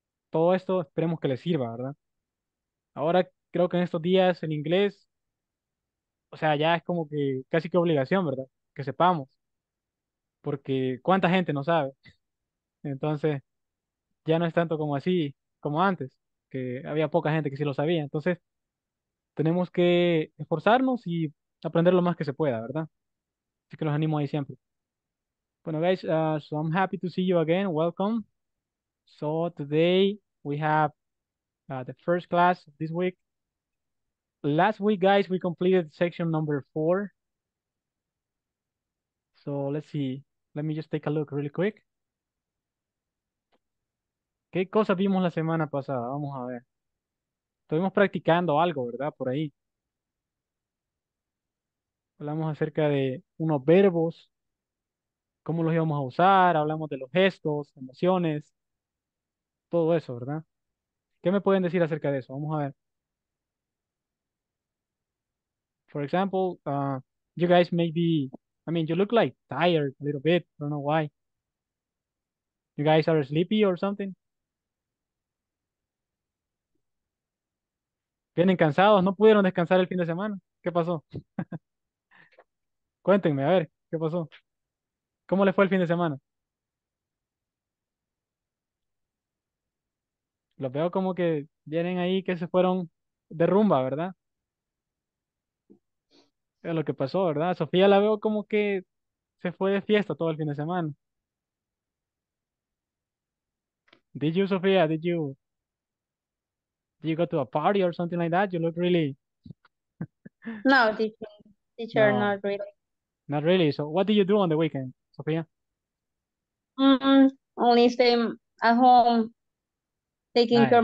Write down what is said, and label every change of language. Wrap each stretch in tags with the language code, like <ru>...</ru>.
<es>Todo esto esperemos que les sirva, ¿verdad? Ahora creo que en estos días el inglés, o sea, ya es como que casi que obligación, ¿verdad? Que sepamos. Porque ¿cuánta gente no sabe? Entonces, ya no es tanto como así, como antes, que había poca gente que sí lo sabía. Entonces, tenemos que esforzarnos y aprender lo más que se pueda, ¿verdad? Así que los animo ahí siempre.</es> <en>Bueno, guys, so I'm happy to see you again. Welcome. So today we have the first class of this week. Last week, guys, we completed section number 4. So let's see. Let me just take a look really quick.</en> <es>¿Qué cosas vimos la semana pasada? Vamos a ver. Estuvimos practicando algo, ¿verdad? Por ahí. Hablamos acerca de unos verbos, cómo los íbamos a usar, hablamos de los gestos, emociones, todo eso, ¿verdad? ¿Qué me pueden decir acerca de eso? Vamos a ver.</es> <en>For example, you guys may be, I mean, you look like tired a little bit, I don't know why. You guys are sleepy or something?</en> <es>¿Vienen cansados? ¿No pudieron descansar el fin de semana? ¿Qué pasó? Cuéntenme, a ver, ¿qué pasó? ¿Cómo les fue el fin de semana? Los veo como que vienen ahí, que se fueron de rumba, ¿verdad? Es lo que pasó, ¿verdad? Sofía la veo como que se fue de fiesta todo el fin de semana.</es> <en>Did you, Sofía? Did you go to a party or something like that? You look really. No, teacher, No. not really. Not really. So, what do you do on the weekend, Sofía? Only stay at home, taking care of</en>